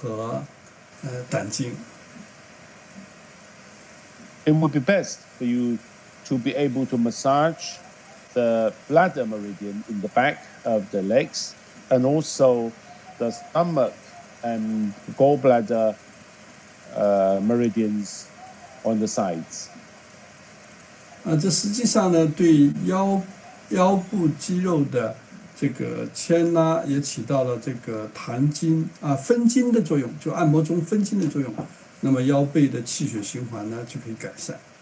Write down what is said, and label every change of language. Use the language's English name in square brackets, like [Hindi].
[Chinese] 这就是说，最好是要按摩到脚背部的、腿背部的膀胱经，然后侧面的这个胃经和胆经。 [English] It would be best for you to be able to massage the bladder meridian in the back of the legs, and also the stomach and gallbladder meridians on the sides. [Chinese] 这实际上呢，对腰部肌肉的这个牵拉也起到了这个弹筋分筋的作用，就按摩中分筋的作用，那么腰背的气血循环呢就可以改善。